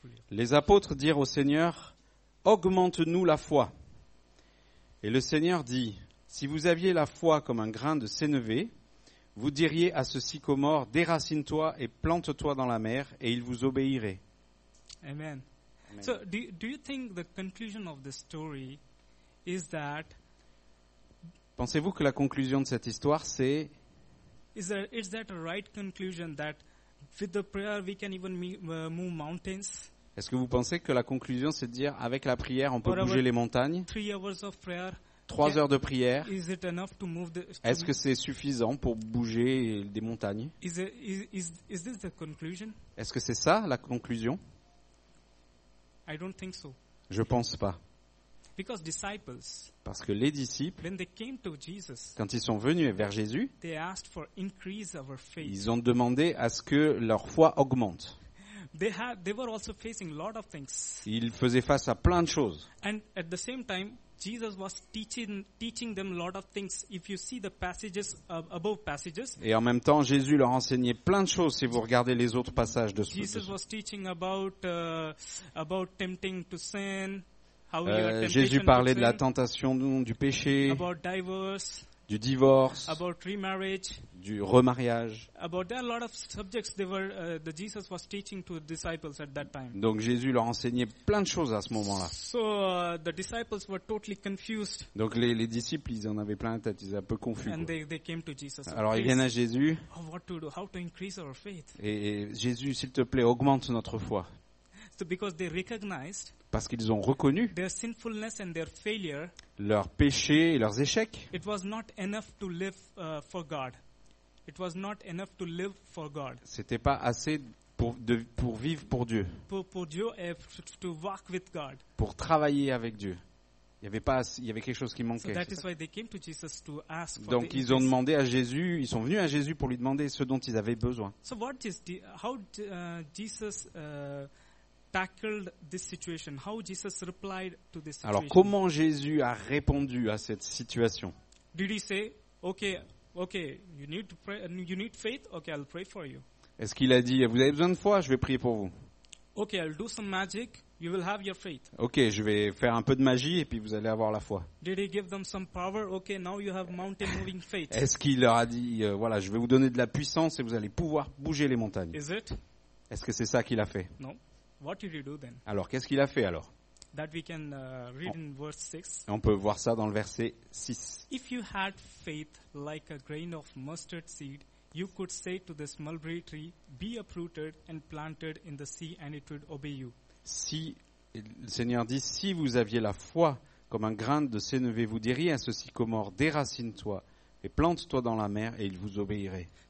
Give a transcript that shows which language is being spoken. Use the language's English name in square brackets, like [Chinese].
[French] Les apôtres dirent au Seigneur, augmente-nous la foi. Et le Seigneur dit, si vous aviez la foi comme un grain de sénévé, vous diriez à ce sycomore, déracine-toi et plante-toi dans la mer, et il vous obéirait. Amen. Amen. [English] So, do you think the conclusion of the story is that? [French] Pensez-vous que la conclusion de cette histoire, c'est? [English] Is that a right conclusion that? With the prayer, we can even move mountains. [French] Est-ce que vous pensez que la conclusion, c'est de dire avec la prière, on peut bouger les montagnes? [English] 3 hours of prayer, [French] Trois heures de prière. [English] Is it enough to move the, [French] est-ce que c'est suffisant pour bouger des montagnes? [English] Is this the conclusion? [French] Est-ce que c'est ça la conclusion? [English] I don't think so. [French] Je pense pas. [English] Because disciples, [French] parce que les disciples, [English] when they came to Jesus, [French] quand ils sont venus vers Jésus, [English] they asked for increase of our faith. [French] Ils ont demandé à ce que leur foi augmente. [English] They were also facing a lot of things. [French] Ils faisaient face à plein de choses. [English] And at the same time, Jesus was teaching them a lot of things. If you see the passages above passages. [French] Et en même temps, Jésus leur enseignait plein de choses si vous regardez les autres passages de ce. [English] Jesus was teaching about tempting to sin, how your temptation. [French] Jésus parlait de la tentation, du péché. [English] About divorce. [French] Du divorce. [English] About remarriage. [French] Du remariage. [English] About there are a lot of subjects they were that Jesus was teaching to the disciples at that time. [French] Donc Jésus leur enseignait plein de choses à ce moment-là. [English] So the disciples were totally confused. [French] Donc les disciples, ils en avaient plein la tête, ils étaient un peu confus. [English] And they came to Jesus. [French] Alors ils viennent à Jésus. [English] Oh, what to do? How to increase our faith? [French] Et Jésus, s'il te plaît, augmente notre foi. [English] So because they recognized. [French] Parce qu'ils ont reconnu [English] their sinfulness and their failure. [French] Leurs péchés et leurs échecs. [English] It was not enough to live for God. It was not enough to live for God. [French] C'était pas assez pour vivre pour Dieu. Pour Dieu et [English] to work with God. [French] Pour travailler avec Dieu. Il y avait quelque chose qui manquait. [English] So that is why they came to Jesus to ask for. [French] Donc ils ont demandé à Jésus, ils sont venus à Jésus pour lui demander ce dont ils avaient besoin. [English] So what is the, how Jesus tackled this situation? How Jesus replied to this situation? [French] Alors comment Jésus a répondu à cette situation? [English] Did he say, okay, you need to pray, you need faith? Okay, I'll pray for you. [French] Est-ce qu'il a dit, vous avez besoin de foi? Je vais prier pour vous. [English] Okay, I'll do some magic. You will have your faith. [French] Okay, je vais faire un peu de magie et puis vous allez avoir la foi. [English] Did he give them some power? Okay, now you have mountain moving faith. [French] Est-ce qu'il leur a dit, voilà, je vais vous donner de la puissance et vous allez pouvoir bouger les montagnes? [English] Is it? [French] Est-ce que c'est ça qu'il a fait? [English] No. What did he do then? [French] Alors, qu'est-ce qu'il a fait alors? [English] That we can read in verse 6. [French] On peut voir ça dans le verset 6. [English] If you had faith like a grain of mustard seed, you could say to this mulberry tree, be uprooted and planted in the sea, and it would obey you. [French] Si le Seigneur dit, si vous aviez la foi comme un grain de sénevé, vous diriez à ce sycomore, déracine-toi et plante-toi dans la mer, et il vous obéirait.